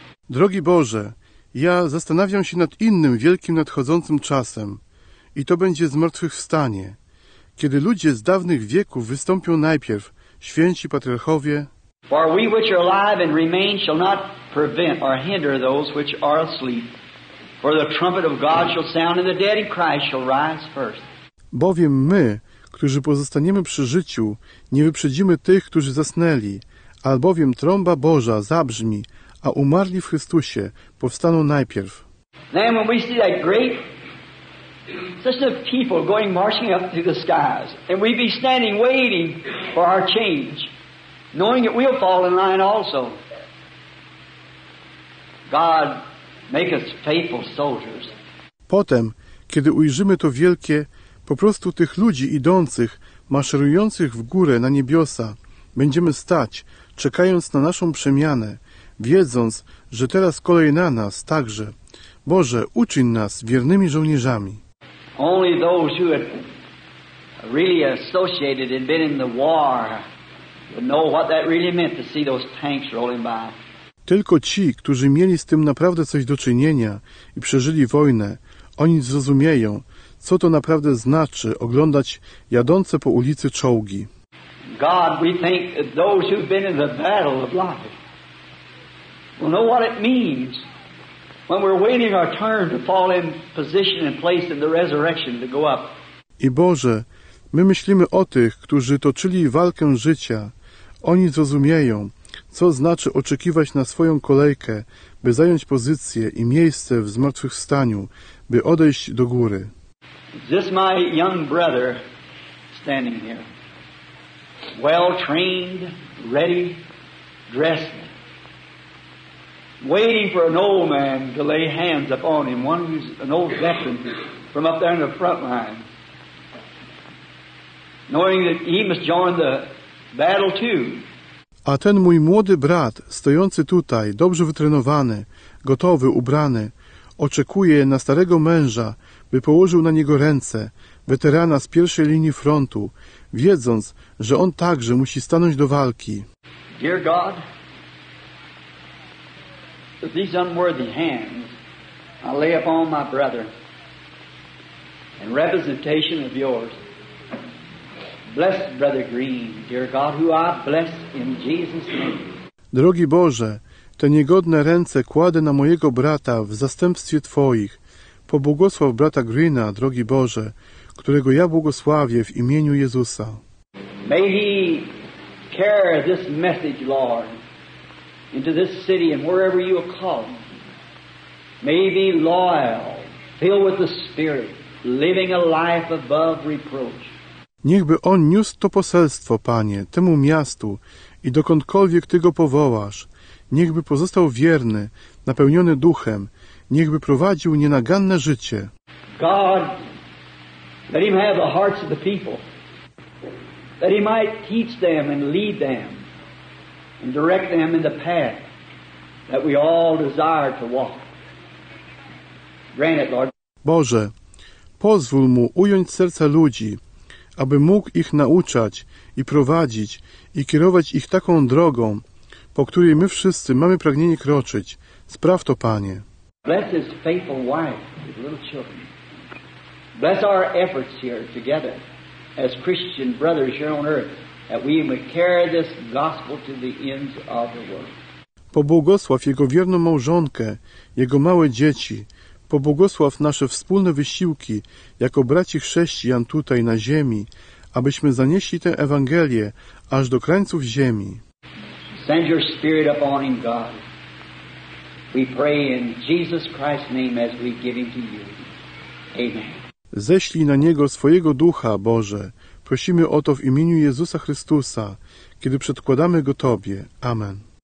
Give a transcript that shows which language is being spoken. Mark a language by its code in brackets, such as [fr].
[pl] Drogi Boże, ja zastanawiam się nad innym wielkim nadchodzącym czasem. I to będzie zmartwychwstanie. Kiedy ludzie z dawnych wieków wystąpią najpierw, święci patriarchowie. [en] For we which are alive and remain shall not prevent or hinder those which are asleep. For the trumpet of God shall sound, and the dead in Christ shall rise first. [pl] Bowiem my, którzy pozostaniemy przy życiu, nie wyprzedzimy tych, którzy zasnęli, albowiem trąba Boża zabrzmi, a umarli w Chrystusie powstaną najpierw. [en] Then when we see that great such of people going marching up through the skies, and we be standing waiting for our change, knowing that we'll fall in line also. God, make us faithful soldiers. [pl] Potem, kiedy ujrzymy to wielkie, po prostu tych ludzi idących, maszerujących w górę na niebiosa, będziemy stać, czekając na naszą przemianę, wiedząc, że teraz kolej na nas także. Boże, uczyń nas wiernymi żołnierzami. [en] Only those who had really associated and been in the war would know what that really meant to see those tanks rolling by. [pl] Tylko ci, którzy mieli z tym naprawdę coś do czynienia i przeżyli wojnę, oni zrozumieją, co to naprawdę znaczy oglądać jadące po ulicy czołgi. [en] God, we think those who've been in the battle of life will know what it means when we're waiting our turn to fall in position and place in the resurrection to go up. [pl] I Boże, my myślimy o tych, którzy toczyli walkę życia. Oni zrozumieją, co znaczy oczekiwać na swoją kolejkę, by zająć pozycję i miejsce w zmartwychwstaniu, by odejść do góry. [en] This my young brother standing here, well trained, ready, dressed, waiting for an old man to lay hands upon him, one who's an old veteran from up there in the front line, knowing that he must join the battle too. [pl] A ten mój młody brat, stojący tutaj, dobrze wytrenowany, gotowy, ubrany, oczekuje na starego męża, by położył na niego ręce, weterana z pierwszej linii frontu, wiedząc, że on także musi stanąć do walki. [en] Dear God, with these unworthy hands, I lay upon my brother in representation of yours. Bless Brother Green, dear God, who I bless in Jesus' name. [pl] Drogi Boże, te niegodne ręce kładę na mojego brata w zastępstwie Twoich. Pobłogosław brata Greena, drogi Boże, którego ja błogosławię w imieniu Jezusa. [en] May he carry this message, Lord, into this city and wherever you will call him. May he be loyal, filled with the Spirit, living a life above reproach. [pl] Niechby on niósł to poselstwo, Panie, temu miastu i dokądkolwiek Ty go powołasz. Niechby pozostał wierny, napełniony duchem. Niechby prowadził nienaganne życie. [en] God, let him have the hearts of the people, that he might teach them and lead them and direct them in the path that we all desire to walk. Grant it, Lord. [pl] Boże, pozwól mu ująć serca ludzi, aby mógł ich nauczać i prowadzić i kierować ich taką drogą, po której my wszyscy mamy pragnienie kroczyć. Spraw to, Panie. [en] Bless his faithful wife with little children. Bless our efforts here together as Christian brothers here on earth, that we may carry this gospel to the ends of the world. [pl] Pobłogosław jego wierną małżonkę, jego małe dzieci. Pobłogosław nasze wspólne wysiłki jako braci chrześcijan tutaj na ziemi, abyśmy zanieśli tę Ewangelię aż do krańców ziemi. [en] Send your spirit upon him, God. We pray in Jesus Christ's name as we give him to you. Amen. [pl] Ześlij na niego swojego ducha, Boże. Prosimy o to w imieniu Jezusa Chrystusa, kiedy przedkładamy go Tobie. Amen.